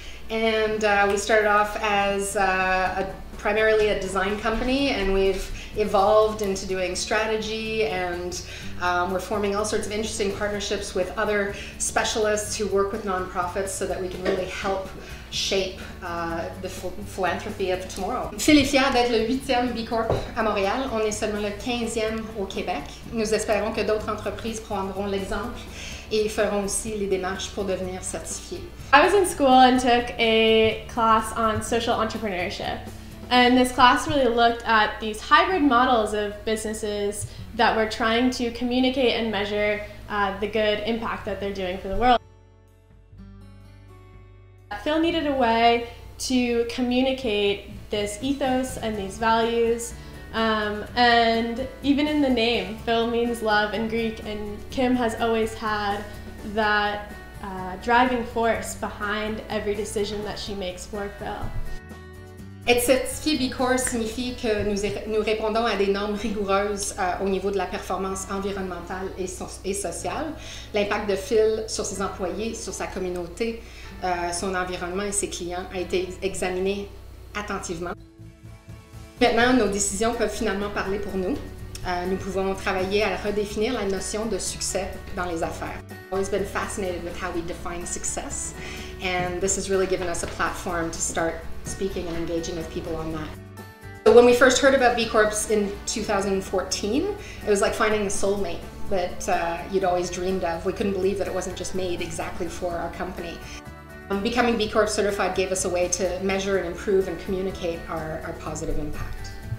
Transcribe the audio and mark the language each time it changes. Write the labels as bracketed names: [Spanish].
[English] And we started off as primarily a design company, and we've evolved into doing strategy, and we're forming all sorts of interesting partnerships with other specialists who work with nonprofits so that we can really help shape the philanthropy of tomorrow. [French] Phil est fier d'être le 8e B Corp à Montréal. On est seulement le 15e au Québec. Nous espérons que d'autres entreprises prendront l'exemple et feront aussi les démarches pour devenir certifiés. [English] I was in school and took a class on social entrepreneurship. And this class really looked at these hybrid models of businesses that were trying to communicate and measure the good impact that they're doing for the world. Phil needed a way to communicate this ethos and these values. And even in the name, Phil means love in Greek, and Kim has always had that driving force behind every decision that she makes for Phil. [French] Être certifié B Corp signifie que nous répondons à des normes rigoureuses au niveau de la performance environnementale et sociale. L'impact de Phil sur ses employés, sur sa communauté, son environnement et ses clients a été examiné attentivement. Maintenant, nos décisions peuvent finalement parler pour nous. Nous pouvons travailler à redéfinir la notion de succès dans les affaires. [English] I've always been fascinated with how we define success, and this has really given us a platform to start speaking and engaging with people on that. So when we first heard about B Corps in 2014, it was like finding a soulmate that you'd always dreamed of. We couldn't believe that it wasn't just made exactly for our company. Becoming B Corp certified gave us a way to measure and improve and communicate our positive impact.